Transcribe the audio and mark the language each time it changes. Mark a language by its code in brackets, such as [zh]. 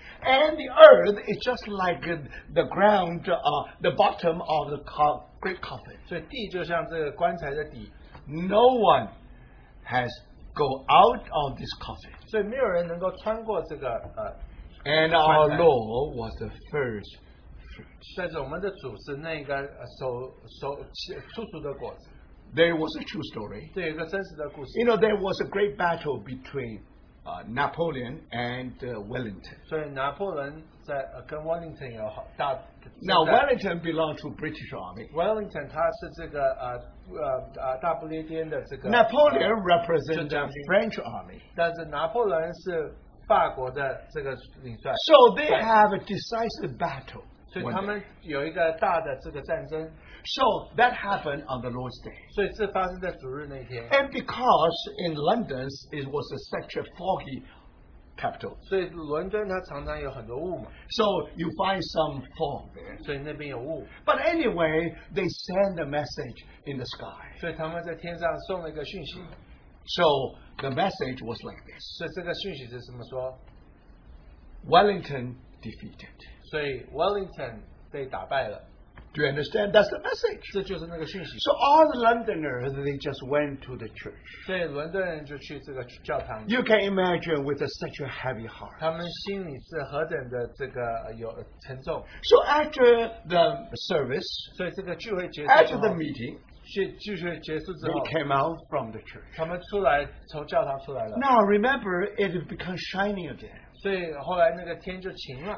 [en] and the earth is just like the ground, the bottom of the great coffin. [zh] 所以地就像这个棺材的底. [en] No one has go out of this coffin. [zh] 所以没有人能够穿过这个, [en] and our Lord was the first. [zh] 但是我们的主是那个初熟的果子. [en] There was a true story. [zh] 对，一个真实的故事. [en] You know, there was a great battle between Napoleon and Wellington. [zh] 所以拿破仑在跟Wellington有好大。 [en] Now Wellington belonged to British Army. [zh] Wellington他是这个大不列颠的这个。 [en] Napoleon represented French Army. [zh] 但是拿破仑是法国的这个领帅. [en] So they have a decisive battle. [zh] 所以他们有一个大的这个战争. [en] So that happened on the Lord's Day. [zh] 所以这发生在主日那天. [en] And because in London it was such a foggy capital. [zh] 所以伦敦它常常有很多雾嘛. [en] So you find some fog there. [zh] 所以那边有雾. [en] But anyway, they send a message in the sky. [zh] 所以他们在天上送了一个讯息. [en] So the message was like this. [zh] 所以这个讯息是什么说? [en] Wellington defeated. [zh] 所以 Wellington 被打败了. [en] Do you understand? That's the message. [zh] 这就是那个讯息. [en] So all the Londoners, they just went to the church. [zh] 所以伦敦人就去这个教堂. [en] You can imagine with such a heavy heart. [zh] 他们心里是何等的这个有沉重. [en] So after the service, [zh] 所以这个聚会结束后, [en] after the meeting, [zh] 聚会结束之后, [en] they came out from the church. [zh] 他们出来从教堂出来了. [en] Now remember, it has become shining again. [zh] 所以后来那个天就晴了。